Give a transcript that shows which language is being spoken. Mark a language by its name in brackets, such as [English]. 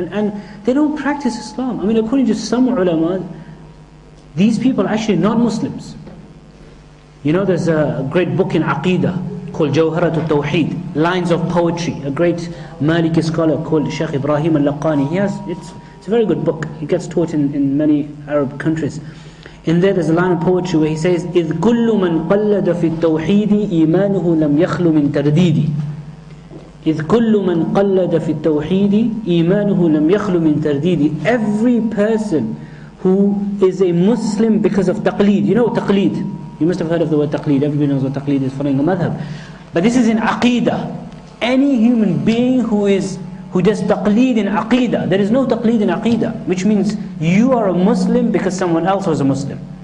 [English] And they don't practice Islam. I mean, according to some ulama, these people are actually not Muslims. You know, there's a great book in Aqidah called Jawharatul Tawheed, Lines of Poetry, a great Maliki scholar called Sheikh Ibrahim al-Laqani. It's a very good book. It gets taught in many Arab countries. [Arabic] In there, there's a line of poetry where he says, إِذْ كُلُّ مَنْ قَلَّدَ فِي التَّوْحِيدِ إِيمَانُهُ لَمْ يَخْلُ مِنْ تَرْدِيدِ إِذْ كُلُّ مَنْ قَلَّدَ فِي التَّوْحِيدِ إِيمَانُهُ لَمْ يَخْلُ مِنْ تَرْدِيدِ. [English] Every person who is a Muslim because of taqleed. You know taqleed? You must have heard of the word taqleed. Everybody knows what taqleed is, following a madhab. But this is in aqeedah. Any human being who does taqleed in aqeedah, there is no taqleed in aqeedah, which means you are a Muslim because someone else was a Muslim.